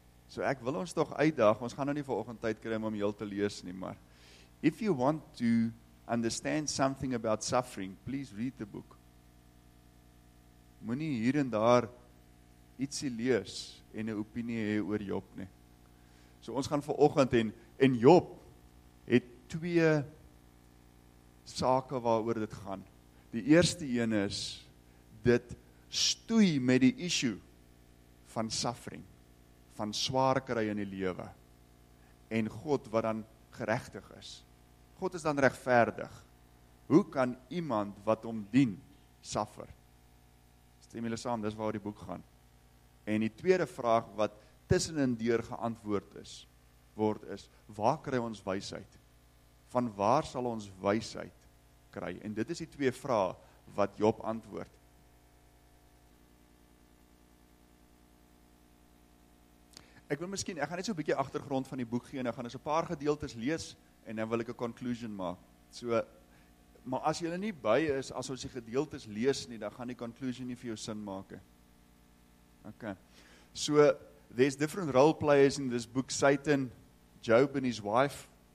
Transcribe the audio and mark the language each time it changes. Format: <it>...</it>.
<af>So ek wil ons toch uitdag, ons gaan nou nie vanoggend tyd kry om heel te lees nie, maar</af> <en>if you want to understand something about suffering, please read the book.</en> <af>Moenie hier en daar ietsie lees en 'n opinie hê oor Job nie. So ons gaan vanoggend en Job het twee sake waaroor dit gaan. Die eerste een is, dit stoei met die issue van suffering, van swaar kry in die lewe, en God wat dan geregtig is. God is dan regverdig. Hoe kan iemand wat hom dien, suffer? Stem julle saam, dis waar die boek gaan. En die tweede vraag wat tussenin deur geantwoord is, word is, waar kry ons wysheid? Van waar sal ons wysheid kry? En dit is die twee vrae wat Job antwoord. Ek wil miskien, ek gaan net so 'n bietjie agtergrond van die boek gee en ek gaan so 'n paar gedeeltes lees en dan wil ek 'n conclusion maak. So, maar as julle nie by is, as ons die gedeeltes lees nie, dan gaan die conclusion nie vir jou sin maak.</af> <en>Ok, so, there's different role players in this book, Satan, Job and his wife.</en>